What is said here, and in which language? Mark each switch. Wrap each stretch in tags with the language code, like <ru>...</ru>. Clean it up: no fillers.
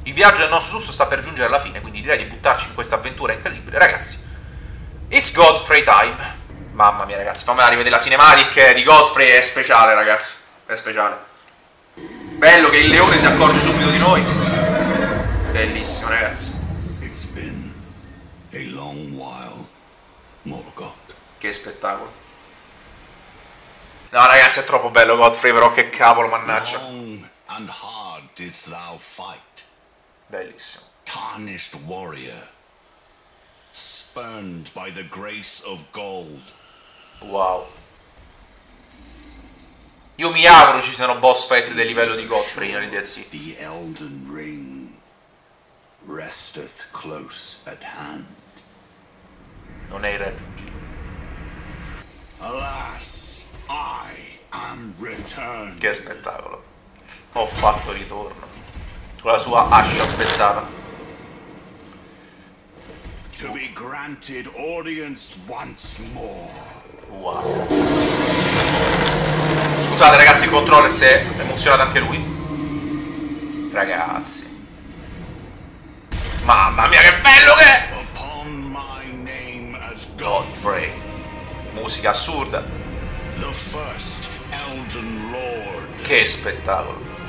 <it>Il viaggio del nostro sus sta per giungere alla fine, quindi direi di buttarci in questa avventura incredibile, ragazzi.</it> <en>It's Godfrey time.</en> <it>Mamma mia, ragazzi, fammela rivedere la cinematic di Godfrey, è speciale, ragazzi. È speciale. Bello che il leone si accorge subito di noi. Bellissimo, ragazzi.</it> <en>It's been a long while, Morgoth.</en> <it>Che spettacolo. No, ragazzi, è troppo bello Godfrey, però che cavolo, mannaggia.</it> <en>Long and hard didst thou fight.</en> <it>Bellissimo.</it> <en>Tarnished warrior. Spurned by the grace of gold. Wow.</en> <it>Io mi auguro ci siano boss fight del livello di Godfrey nel DLC.</it> <en>The Elden Ring resteth close at hand.</en> <it>Non è irraggiungibile.</it> <en>Alas, I am returned.</en> <it>Che spettacolo. Ho fatto ritorno con la sua ascia spezzata.</it> <en>To be granted audience once more. Wow.</en> <it>Scusate ragazzi, il controller si è emozionato anche lui. Ragazzi. Mamma mia, che bello che è!</it> <en>Upon my name as Godfrey.</en> <it>Musica assurda.</it> <en>The first Elden Lord.</en> <it>Che spettacolo.</it>